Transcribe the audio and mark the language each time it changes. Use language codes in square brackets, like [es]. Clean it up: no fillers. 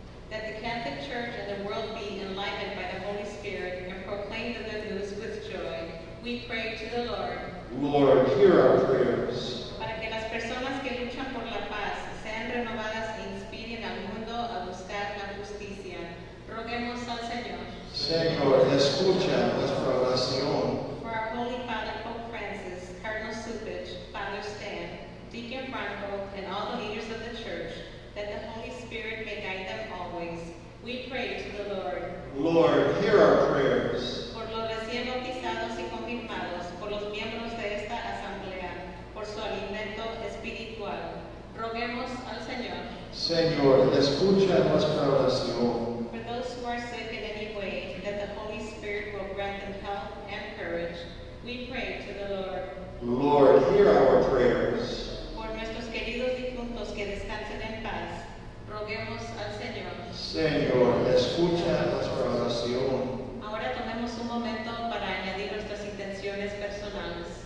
[en] That the Catholic Church and the world be enlightened by the Holy Spirit and proclaim the good news with joy, we pray to the Lord. Lord, hear our prayers. [es] Para que las personas que luchan por la paz sean renovadas e inspiren al mundo a buscar la justicia, roguemos al Señor. Señor, escucha nuestra oración. [en] For our Holy Father, Pope Francis, Cardinal Supich, Father Stan, Deacon Franco, and all the leaders of the Church, that the Holy Spirit may guide them always, we pray to the Lord. Lord, hear our prayers. [es] Por los recién bautizados y confirmados, por los miembros de esta asamblea, por su alimento espiritual, roguemos al Señor. Señor, escucha nuestra oración. [en] For those who are sick in any way, that the Holy Spirit will grant them health and courage, we pray to the Lord. Lord, hear our prayers. [es] Por nuestros queridos difuntos que descansen en paz, roguemos al Señor. Señor, escucha nuestra oración. Ahora tomemos un momento para añadir nuestras intenciones personales.